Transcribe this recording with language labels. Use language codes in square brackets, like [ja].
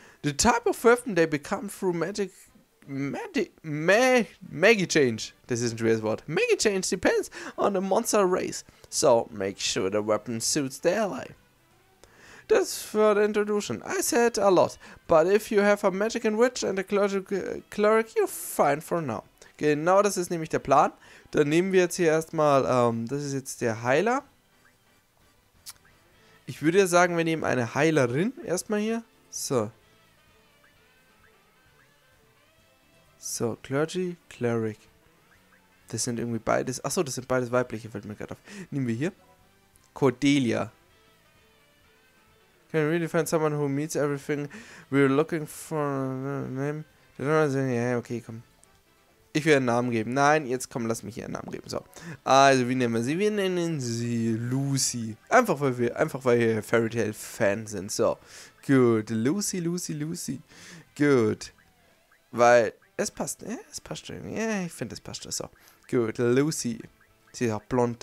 [en] The type of weapon they become through Magi Change. This isn't a real word. Magi Change depends on the monster race, so make sure the weapon suits the ally. That's for the introduction. I said a lot, but if you have a magic and witch and a cleric, you're fine for now. [de] Genau das ist nämlich der Plan. Dann nehmen wir jetzt hier erstmal, das ist jetzt der Heiler. Ich würde ja sagen, wir nehmen eine Heilerin erstmal hier. So. So, Clergy, Cleric. Das sind irgendwie beides. Achso, das sind beides weibliche, fällt mir gerade auf. Nehmen wir hier. Cordelia. [en] Can really find someone who meets everything we're looking for a name? Yeah, okay, [de] komm. Ich will einen Namen geben. Nein, jetzt komm, lass mich hier einen Namen geben. So. Also, wie nennen wir sie? Wir nennen sie Lucy. Einfach weil wir Fairy Tale Fan sind. So. [en] Good. [de] Lucy, Lucy, Lucy. [en] Good. [de] Weil es passt, ne? Es passt schon. Ja, ich finde, es passt schon. So. Good. Lucy. Sie ist auch blond.